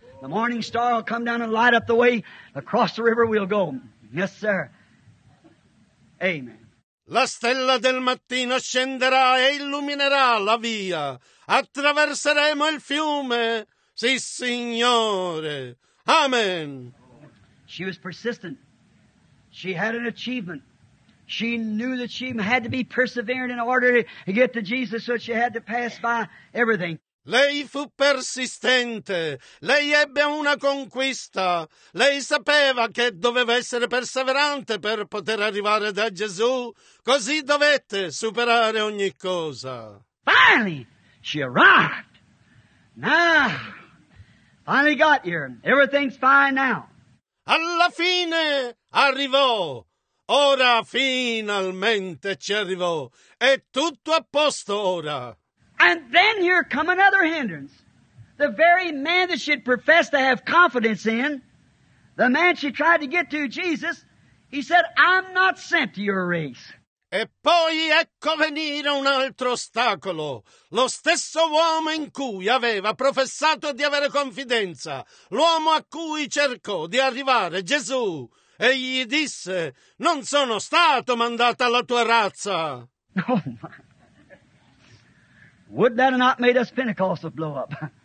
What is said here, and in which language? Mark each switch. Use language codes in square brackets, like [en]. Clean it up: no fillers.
[en] The morning star will come down and light up the way, across the river we'll go. Yes, sir. Amen. [it] La stella del mattino scenderà e illuminerà la via. Attraverseremo il fiume. Sì, signore. Amen. [en] She was persistent. She had an achievement. She knew that she had to be persevering in order to get to Jesus, so she had to pass by everything. [it] Lei fu persistente, lei ebbe una conquista, lei sapeva che doveva essere perseverante per poter arrivare da Gesù, così dovette superare ogni cosa. [en] Finally, she arrived. Now, finally got here. Everything's fine now. [it] Alla fine arrivò. Ora finalmente ci arrivò. È tutto a posto ora. [en] And then here come another hindrance. The very man that she had professed to have confidence in, the man she tried to get to, Jesus, he said, I'm not sent to your race. [it] E poi ecco venire un altro ostacolo. Lo stesso uomo in cui aveva professato di avere confidenza, l'uomo a cui cercò di arrivare Gesù, e gli disse: non sono stato mandato alla tua razza. [en] Oh my. Would that have not made us Pentecostal blow up?